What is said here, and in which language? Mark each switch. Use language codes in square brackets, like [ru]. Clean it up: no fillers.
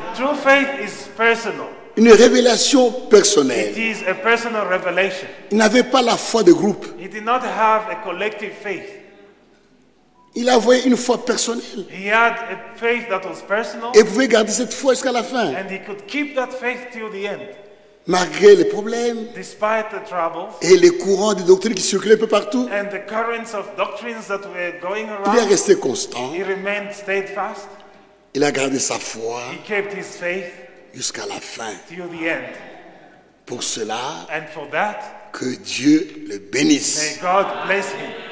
[en] And true faith is personal. [fr] Une révélation personnelle. [en] It is a personal revelation. [fr] Il n'avait pas la foi de groupe. [en] He did not have a collective faith. [fr] Il avait une foi personnelle. [en] He had a faith that was personal. [fr] Et pouvait garder cette foi jusqu'à la fin. [en] And he could keep that faith till the end. [fr] Malgré les problèmes [en] the troubles, [fr] et les courants de doctrine qui circulaient un peu partout, [en] and the currents of doctrines that were going around, [fr] il est resté constant. [en] He remained steadfast, [fr] il a gardé sa foi [en] he kept his faith, [fr] jusqu'à la fin. [en] Till the end. [fr] Pour cela, [en] and for that, [fr] que Dieu le bénisse. [en] May God bless him.